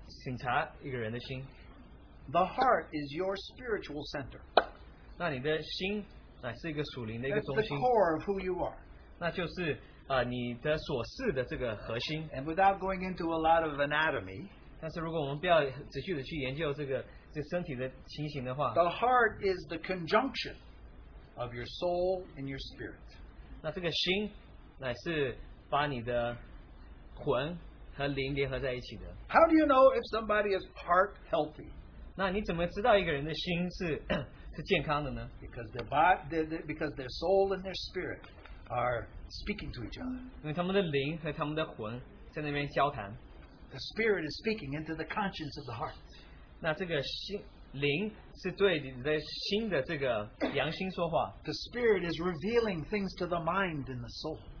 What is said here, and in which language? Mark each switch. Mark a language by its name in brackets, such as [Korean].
[Chinese] 他总是检查一个人的心。 [English] The heart is your spiritual center. [Chinese] 那你的心乃是一个属灵的一个中心。 [English] That's the core of who you are. [Chinese] 那就是 你的所事的这个核心, [English] and without going into a lot of anatomy, [Chinese] 但是如果我们不要仔细的去研究这个身体的情形的话, [English] the heart is the conjunction of your soul and your spirit. [Chinese] 那这个心乃是把你的魂和灵联合在一起的。 [English] How do you know if somebody is heart healthy? [Chinese] 那你怎么知道一个人的心是健康的呢? [English] Because their soul and their spirit are speaking to each other. [Chinese] 因为他们的灵和他们的魂在那边交谈。 [English] The spirit is speaking into the conscience of the heart. [Chinese] 那这个灵是对你的心的这个良心说话。 [English] The spirit is revealing things to the mind and the soul.